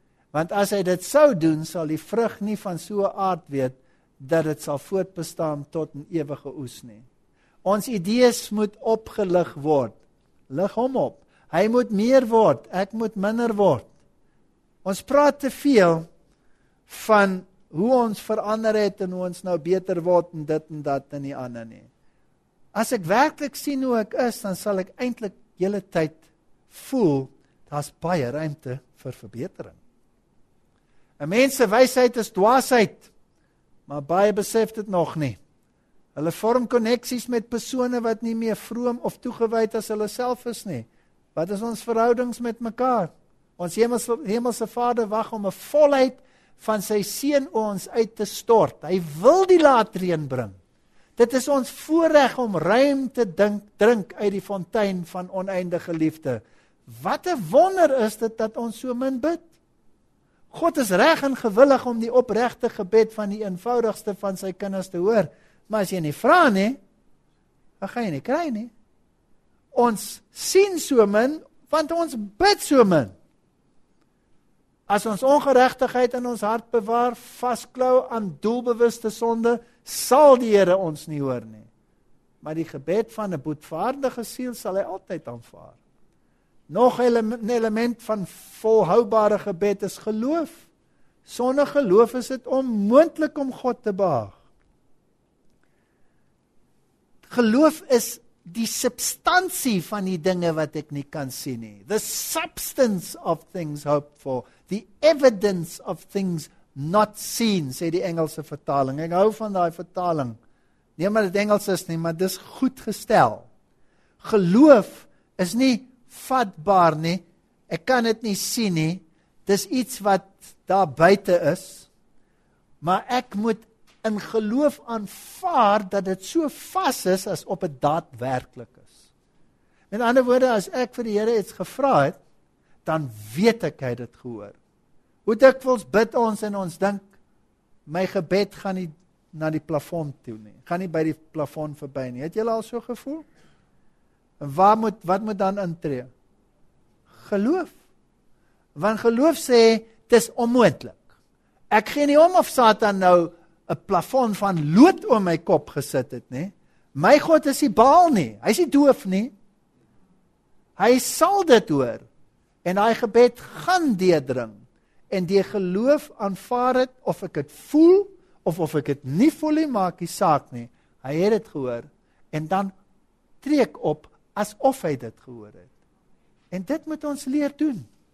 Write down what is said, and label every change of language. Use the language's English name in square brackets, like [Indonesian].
[Afrikaans] Want as hy dit sou doen, sal die vrug nie van so 'n aard weet dat dit sal voortbestaan tot in ewige oes nie. Ons idees moet opgelig word. Lig hom op. Hy moet meer word, ek moet minder word. Ons praat te veel van hoe ons verander het en hoe ons nou beter word en dit en dat en die ander nie. As ek werklik sien hoe ek is, dan sal ek eintlik hele tyd voel daar's baie ruimte vir verbetering. 'N Mens se wysheid is dwaasheid, maar baie besef dit nog nie. Hulle vorm koneksies met persone wat nie meer vroom of toegewyd as hulle self is nie. Wat is ons verhoudings met mekaar? Ons hemelse Vader wag om 'n volheid van sy seun oor ons uit te stort. Hy wil die laatreën bring. Dit is ons voorreg om ruim te drink uit die fontein van oneindige liefde. Wat 'n wonder is dit dat ons so min bid. God is reg en gewillig om die opregte gebed van die eenvoudigste van sy kinders te hoor. Maar as jy nie vra nie, dan gaan jy nie kry nie. Ons sien so min, want ons bid so min. As ons ongeregtigheid in ons hart bewaar, vasklou aan doelbewuste sonde, sal die Here ons nie hoor nie. Maar die gebed van 'n boetvaardige siel sal hy altyd aanvaar. Nog 'n element van volhoubare gebed is geloof. Sonder geloof is dit onmoontlik om God te behaag. Geloof is die substansie van die dinge wat ek nie kan sien nie. [English] The substance of things hoped for. The evidence of things not seen, [Afrikaans] sê die Engelse vertaling. Ek hou van die vertaling. Nie omdat dit Engels is nie, maar dis goed gestel. Geloof is nie vatbaar nie. Ek kan dit nie sien nie. Dis iets wat daar buite is. Maar ek moet in geloof aanvaar dat dit so vas is as op 'n daadwerklik is. Met ander woorde, as ek vir die Here iets gevra het, dan weet ek hy het dit gehoor. Hoe dikwels bid ons en ons dink, my gebed gaan nie na die plafon toe nie. Gaan nie by die plafon verby nie. Het julle al so gevoel? En wat moet dan intree? Geloof. Want geloof sê, dis onmoontlik. Ek gee nie om of Satan nou 'n plafon van lood oor my kop gesit het nie. My God is nie Baal nie. Hy is nie doof nie. Hy sal dit hoor. En daai gebed gaan deurdring. En die geloof aanvaar het, of ek het voel, of ek het nie voel nie, maak die saak nie. Hy het het gehoor, en dan treek op, asof hy dit gehoor het. En dit moet ons leer doen.